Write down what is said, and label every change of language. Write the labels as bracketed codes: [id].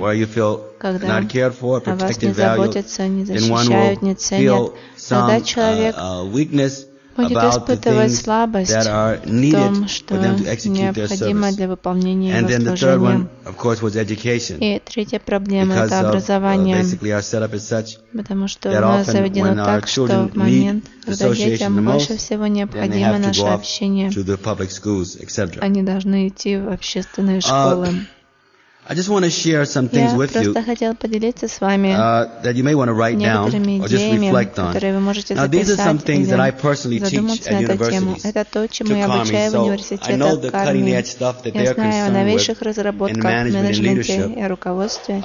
[en] Where you feel not cared for, protected, valued, then one will feel some weakness about the things that are needed for them to execute their service. And then the third one, of course, was education. Because basically our setup is such that often when our children need association the most, then they have to go up to the public schools, etc. [ru] Они должны идти в общественные школы. [en] I just want to share some things with you that you may want to write down or just reflect on. Now, these are some things that I personally teach at universities to Karmi, so I know the cutting-edge stuff that they are concerned with in management and leadership.